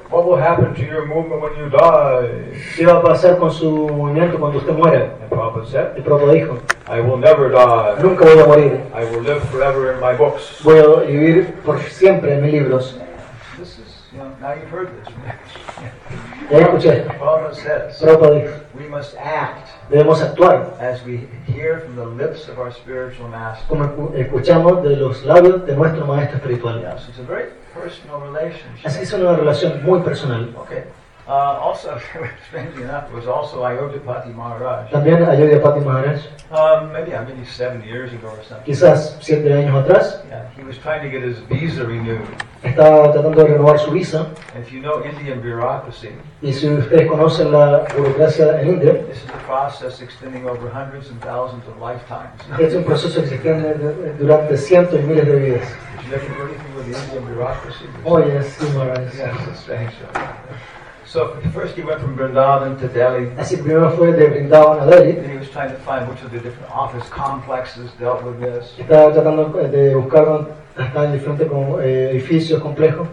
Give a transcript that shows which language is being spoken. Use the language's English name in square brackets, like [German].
[English] What will happen to your movement when you die? [Spanish] ¿Qué va a pasar con su movimiento cuando usted muera? Y Prabhupada dijo. [English] I will never die. [Spanish] Nunca voy a morir. [English] I will live forever in my books. [Spanish] Voy a vivir por siempre en mis libros. [English] This is, now you've heard this. [Spanish] escuché. Prabhupada dijo, [English] we must act [Spanish] debemos actuar [English] as we hear from the lips of our spiritual master. [Spanish] Como escuchamos de los labios de nuestro maestro espiritual. [English] Yeah, so it's a very personal relationship. [Spanish] Así que es una relación muy personal. [English] Okay. Also, strangely enough, was also Ayodhyapati Maharaj. [Spanish] También Ayodhyapati Maharaj. [English] Maybe 7 years ago or something. [Spanish] Quizás 7 años atrás. [English] Yeah, he was trying to get his visa renewed. [Spanish] Estaba tratando de renovar su visa. [English] If you know Indian bureaucracy. [Spanish] Y si ustedes conocen la burocracia en India. [English] This is a process extending over hundreds and thousands of lifetimes. [Spanish] Es un proceso que se extiende durante cientos y miles de vidas. [English] You never heard anything with the Indian bureaucracy. Oh yes, Maharaj. Yes, strange. So first he went from Vrindavan to Delhi. [Spanish] Así primero fue de Vrindavan a Delhi. [English] And he was trying to find which of the different office complexes dealt with this. [Spanish] Estaba tratando de buscar hasta en diferentes edificios complejos.